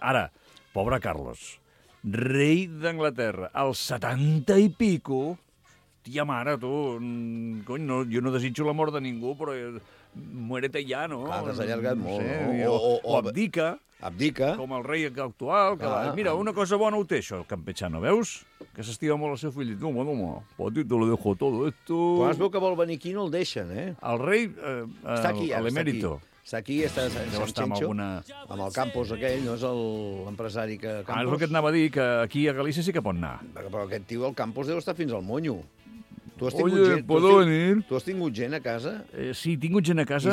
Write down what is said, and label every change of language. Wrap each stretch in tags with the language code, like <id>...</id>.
<ca>Ara, pobre Carlos, rei d'Anglaterra, als 70 i pico... Tia mare, tu... Cony, no, jo no desitjo la mort de ningú, però...</ca> <es>Muérete ya,</es> <ca>no? Clar, t'has allargat molt, no? O abdica. Abdica. Com el rei actual. Mira, una cosa bona ho té, això, el campechano, veus? Que s'estima molt el seu fill.</ca> <es>Toma, poti, te lo dejo todo esto.</es> <ca>Quan es veu que vol venir aquí, no el deixen, El rei... Està aquí, ja. L'emérito. Aquí està Sant Xenxo, amb el Campos aquell, no és l'empresari que... Campos... Ah, és el que et anava a dir, que aquí a Galícia sí que pot anar. Però aquest tio, el Campos, deu estar fins al monyo.</ca> <es>Oye, ¿puedo venir?</es> <ca>Tu has tingut gent a casa? Sí, he tingut gent a casa.</ca>